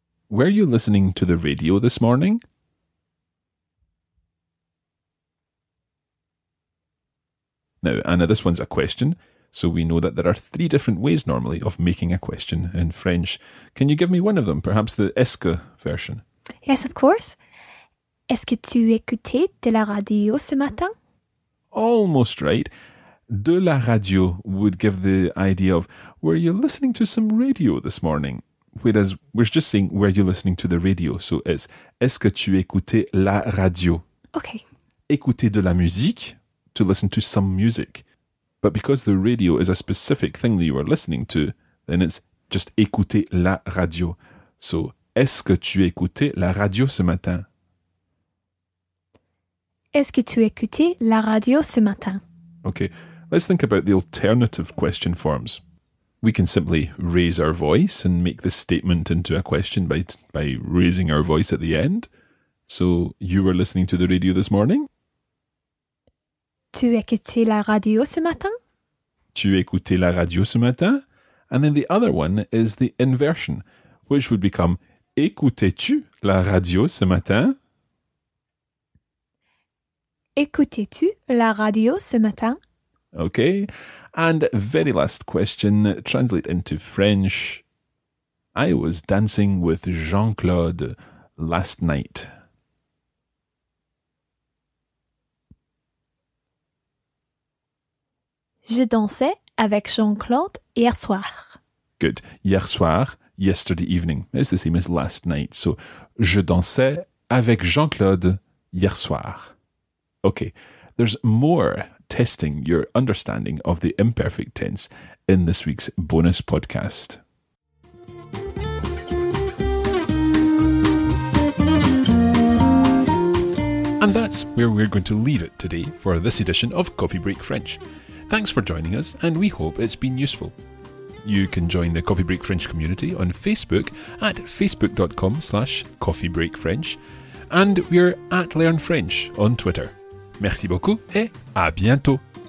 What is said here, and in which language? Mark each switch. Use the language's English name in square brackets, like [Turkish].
[English] Were you listening to the radio this morning? Now, Anna, this one's a question. So we know that there are three different ways normally of making a question in French. Can you give me one of them? Perhaps the Est-ce que version? Yes, of course. [French] Est-ce que tu écoutais de la radio ce matin? [English] Almost right. [French] De la radio [English] would give the idea of, were you listening to some radio this morning? Whereas we're just saying, were you listening to the radio? So it's, [French] est-ce que tu écoutais la radio? [English] Okay. [French] Écouter de la musique, [English] to listen to some music. But because the radio is a specific thing that you are listening to, then it's just écouter la radio. [French] So, est-ce que tu écoutais la radio ce matin? Est-ce que tu écoutais la radio ce matin? [English] Okay, let's think about the alternative question forms. We can simply raise our voice and make the statement into a question by raising our voice at the end. So, you were listening to the radio this morning? [French] Tu écoutais la radio ce matin? Tu écoutais la radio ce matin? [English] And then the other one is the inversion, which would become, [French] écoutais-tu la radio ce matin? Écoutais-tu la radio ce matin? [English] Okay, and very last question, translate into French. I was dancing with Jean-Claude last night. [French] Je dansais avec Jean-Claude hier soir. [English] Good. Hier soir, yesterday evening. It's the same as last night. [French] So, je dansais avec Jean-Claude hier soir. [English] Okay, there's more testing your understanding of the imperfect tense in this week's bonus podcast. And that's where we're going to leave it today for this edition of Coffee Break French. Thanks for joining us, and we hope it's been useful. You can join the Coffee Break French community on Facebook at facebook.com/coffeebreakfrench, and we're at Learn French on Twitter. [French] Merci beaucoup et à bientôt.